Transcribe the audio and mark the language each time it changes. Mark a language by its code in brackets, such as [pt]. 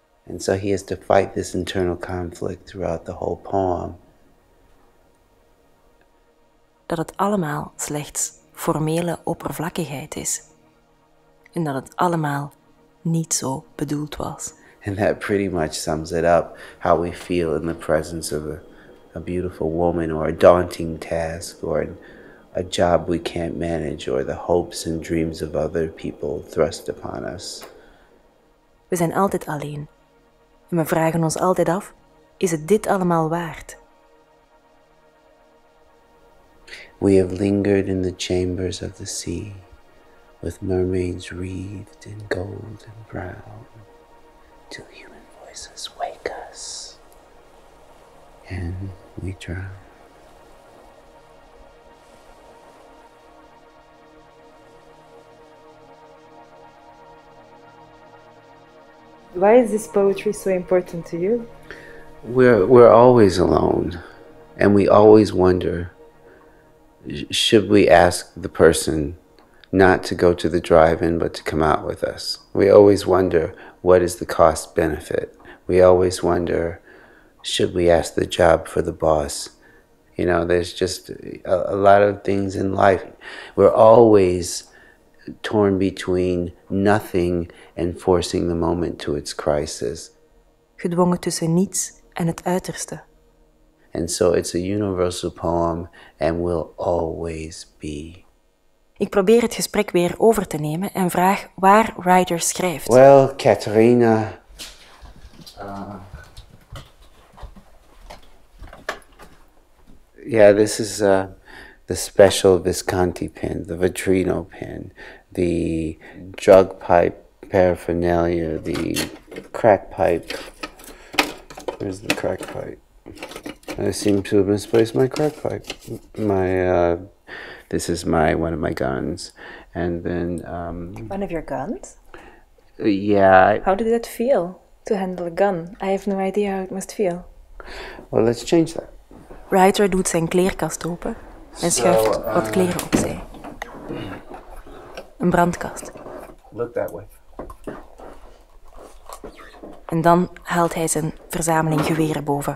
[en] And so he has to fight this internal conflict throughout the whole poem. [nl] Dat het allemaal slechts formele oppervlakkigheid is. En dat het allemaal niet zo bedoeld was. [en] And that pretty much sums it up, how we feel in the presence of a beautiful woman, or a daunting task, or a job we can't manage, or the hopes and dreams of other people thrust upon us. [nl] We zijn altijd alleen. En we vragen ons altijd af, is het dit allemaal waard? [en] We have lingered in the chambers of the sea, with mermaids wreathed in gold and brown, till human voices wake us, and we drown. Why is this poetry so important to you? We're always alone, and we always wonder, should we ask the person not to go to the drive-in but to come out with us? We always wonder, what is the cost benefit? We always wonder, should we ask the job for the boss? You know, there's just a lot of things in life. We're always torn between nothing and forcing the moment to its crisis. [nl] Gedwongen tussen niets en het uiterste. [en] And so it's a universal poem and will always be. [nl] Ik probeer het gesprek weer over te nemen en vraag waar Writer schrijft. [en] Well, Katharina. Yeah, this is the special Visconti pen, the Vetrino pen, the drug pipe paraphernalia, the crack pipe. Where's the crack pipe? I seem to have misplaced my crack pipe. My this is my one of my guns. And then one of your guns? Yeah. How did that feel to handle a gun? I have no idea how it must feel. Well, let's change that. [nl] Ryder doet zijn kleerkast open en schuift wat kleren opzij. Een brandkast. [en] Look that way. [nl] En dan haalt hij zijn verzameling geweren boven.